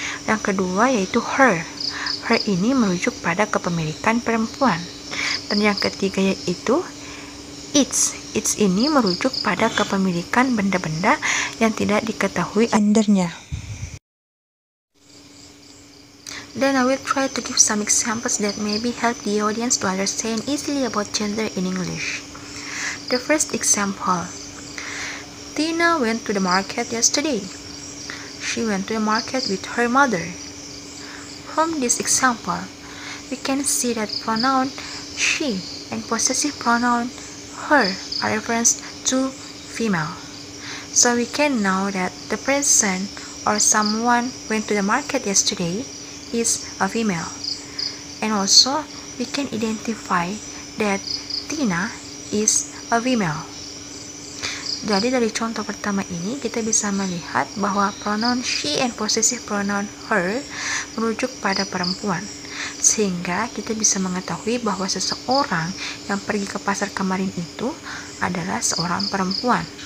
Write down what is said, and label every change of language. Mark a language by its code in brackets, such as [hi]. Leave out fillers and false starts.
[id] Yang kedua yaitu her. Her ini merujuk pada kepemilikan perempuan. Dan yang ketiga yaitu its. Its ini merujuk pada kepemilikan benda-benda yang tidak diketahui gendernya. [en] Then I will try to give some examples that maybe help the audience to understand easily about gender in English. The first example. Tina went to the market yesterday. She went to the market with her mother. From this example, we can see that pronoun she and possessive pronoun her are referenced to female. So we can know that the person or someone went to the market yesterday is a female. And also, we can identify that Tina is a female. [id] Jadi dari contoh pertama ini, kita bisa melihat bahwa pronoun she and possessive pronoun her merujuk pada perempuan. Sehingga kita bisa mengetahui bahwa seseorang yang pergi ke pasar kemarin itu adalah seorang perempuan.